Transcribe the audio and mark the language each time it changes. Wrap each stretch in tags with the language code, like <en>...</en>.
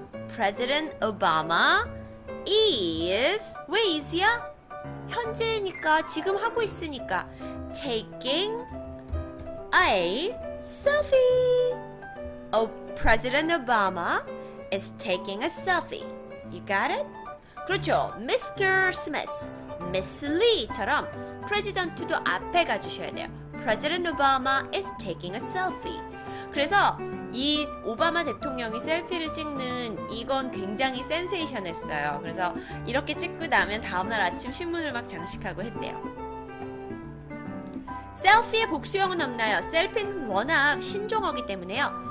<en>President Obama is,</en> <ko>왜 is야? 현재니까, 지금 하고 있으니까</ko> <en>taking a selfie. Oh, President Obama is taking a selfie. You got it?</en> <ko>그렇죠.</ko> <en>Mr.</en> <ko>Smith, Miss Lee처럼 President도 앞에 가주셔야 돼요.</ko> <en>President Obama is taking a selfie.</en> <ko>그래서 이 오바마 대통령이 셀피를 찍는 이건 굉장히 센세이션했어요. 그래서 이렇게 찍고 나면 다음날 아침 신문을 막 장식하고 했대요. 셀피의 복수형은 없나요? 셀피는 워낙 신종어기 때문에요.</ko>